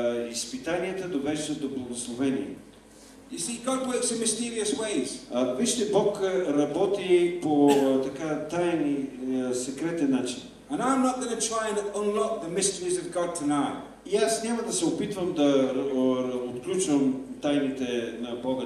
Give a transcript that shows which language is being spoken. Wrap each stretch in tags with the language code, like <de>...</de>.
<bg>Изпитанията довеждат до благословение.</bg> <en>You see, God works in mysterious ways.</en> <bg>Вижте, Бог работи по така тайни, секретен начин.</bg> <en>And I'm not going to try and unlock the mysteries of God tonight.</en> <bg>И аз няма да се опитвам да отключвам тайните на Бога</bg>